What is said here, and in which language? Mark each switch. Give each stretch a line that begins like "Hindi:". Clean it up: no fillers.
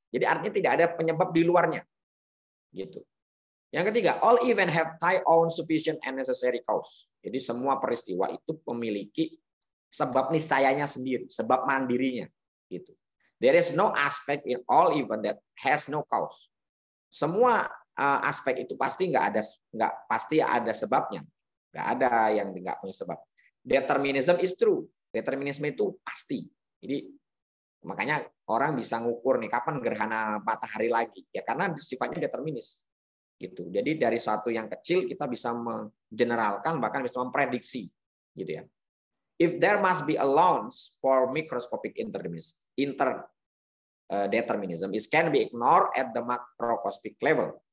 Indonesian: Jadi artinya tidak ada penyebab di luarnya. Gitu. Yang ketiga,
English: all events have their own sufficient and necessary cause.
Indonesian: Jadi semua peristiwa itu memiliki sebab niscayanya sendiri, sebab mandirinya gitu.
English: There is no aspect in all event that has no cause.
Indonesian: Semua aspek itu pasti nggak ada sebabnya, nggak ada yang nggak punya sebab.
English: Determinism is true,
Indonesian: determinisme itu pasti. Jadi makanya orang bisa ngukur nih kapan gerhana matahari lagi ya, karena sifatnya determinis gitu. Jadi dari satu yang kecil kita bisa menggeneralkan, bahkan bisa memprediksi gitu ya.
English: If there must be a launch for microscopic determinism, it can be ignored at the macroscopic level.